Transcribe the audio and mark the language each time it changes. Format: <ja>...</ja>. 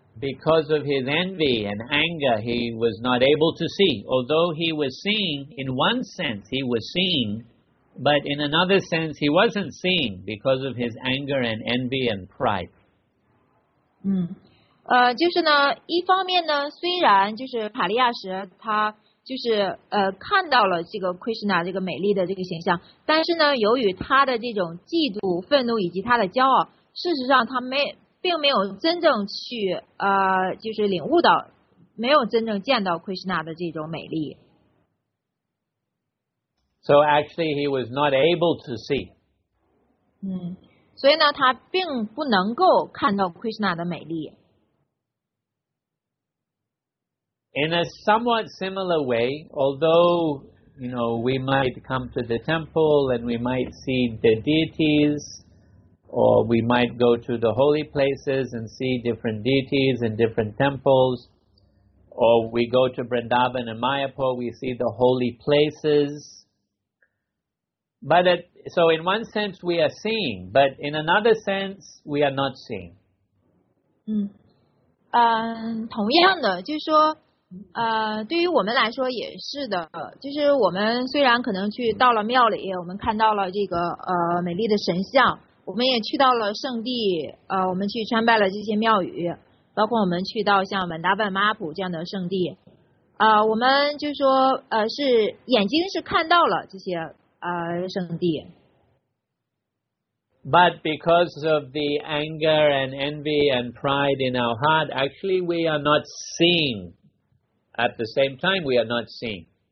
<en>Because of his envy and anger, he was not able to see. Although he was seeing, in one sense, he was seeing, but in another sense, he wasn't seeing because of his anger and envy and pride.</en> <zh>就是呢，一方面呢，虽然就是卡利亚什他就是看到了这个 Krishna 这个美丽的这个形象，但是呢，由于他的这种嫉妒、愤怒以及他的骄傲，事实上他并没有真正去就是领悟到，没有真正见到 Krishna 的这种美丽。</zh> <en>So actually, he was not able to see.</en> <zh>所以呢，他并不能够看到 Krishna 的美丽。</zh> <en>In a somewhat similar way, although you know we might come to the temple and we might see the deities, or we might go to the holy places and see different deities and different temples, or we go to Vrindavan and Mayapur, we see the holy places. But so in one sense we are seeing, but in another sense we are not seeing.</en> <zh>同样的，就是说。对于我们来说也是的，就是我们虽然可能去到了庙里，我们看到了这个美丽的神像，我们也去到了圣地，我们去参拜了这些庙宇，包括我们去到像文达本妈普这样的圣地，我们就说是眼睛是看到了这些圣地。</zh> <en>But because of the anger and envy and pride in our heart, actually we are not seeing. At the same time, we are not seeing.</en>